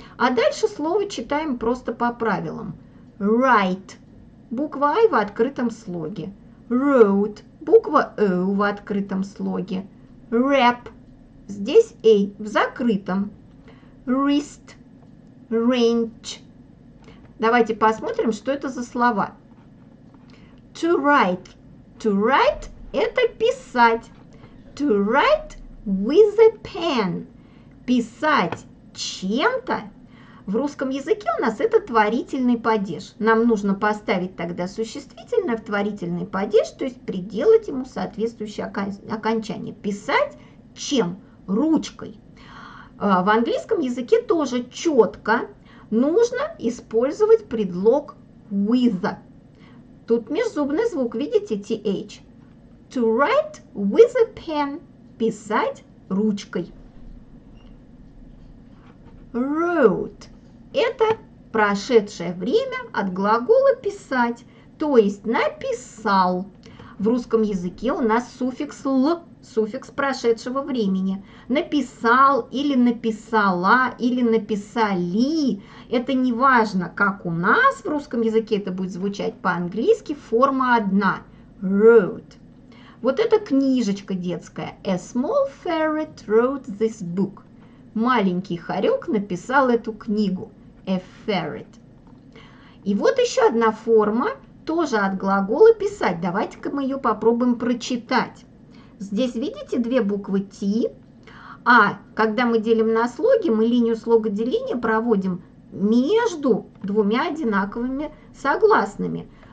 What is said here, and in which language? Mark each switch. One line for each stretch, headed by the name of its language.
Russian: А дальше слово читаем просто по правилам. Write – буква I в открытом слоге. Wrote – буква O в открытом слоге. Wrap – здесь A в закрытом.
English: Wrist – wrench.
Russian: Давайте посмотрим, что это за слова.
English: To write – to write –
Russian: это писать.
English: To write with a pen –
Russian: писать чем-то. В русском языке у нас это творительный падеж. Нам нужно поставить тогда существительное в творительный падеж, то есть приделать ему соответствующее окончание. Писать чем? Ручкой. В английском языке тоже четко нужно использовать предлог with. Тут межзубный звук, видите, TH.
English: To write with a pen.
Russian: Писать ручкой.
English: Wrote.
Russian: Это прошедшее время от глагола писать, то есть написал. В русском языке у нас суффикс л, суффикс прошедшего времени. Написал или написала, или написали. Это не важно, как у нас в русском языке это будет звучать по-английски. Форма одна. Wrote. Вот эта книжечка детская.
English: A small ferret wrote this book.
Russian: Маленький хорек написал эту книгу. A ferret. И вот еще одна форма. Тоже от глагола писать. Давайте-ка мы ее попробуем прочитать. Здесь видите две буквы T. А когда мы делим на слоги, мы линию слогоделения проводим между двумя одинаковыми согласными.